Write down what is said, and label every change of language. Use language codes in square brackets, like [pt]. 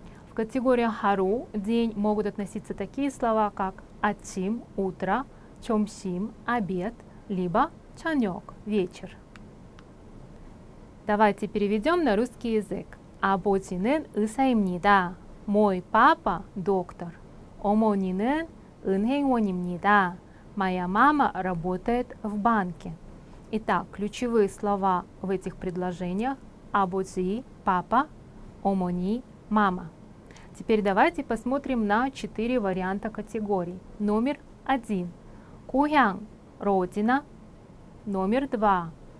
[ru] В категории 하루, день, могут относиться такие слова как 아침, утро, 점심, обед, либо 저녁, вечер. Давайте переведем на русский язык. [ko] 아버지는 의사입니다. [ru] Мой папа – доктор. [ko] 어머니는 은행원입니다. [ru] Моя мама работает в банке. Итак, ключевые слова в этих предложениях – 아버지 – папа, 어머니 – мама. Теперь давайте посмотрим на 4 варианта категорий. Номер 1. 고향 – родина. Номер 2.